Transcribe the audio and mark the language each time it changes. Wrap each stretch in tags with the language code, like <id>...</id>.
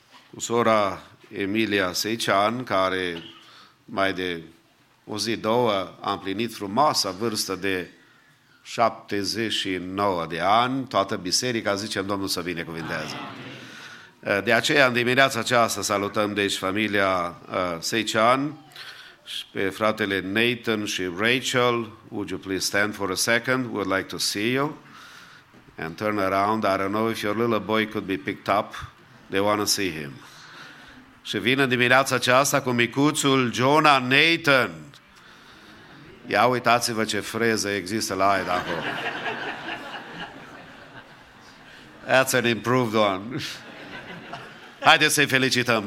<ro>cu sora Emilia Seician, care mai de o zi, două, a împlinit frumoasa vârstă de 79 de ani, toată biserica, zicem Domnul să binecuvintează. De aceea, în dimineața aceasta, salutăm deci familia Seician și pe fratele Nathan și Rachel.</ro> <en>Would you please stand for a second? We would like to see you. And turn around. I don't know if your little boy could be picked up. They want to see him.</en> <ro>Și vin în dimineața aceasta cu micuțul Jonah Nathan. Ia uitați-vă ce freză există la aia acolo.</ro> <en>That's an improved one.</en> <ro>Haideți să-i felicităm.</ro>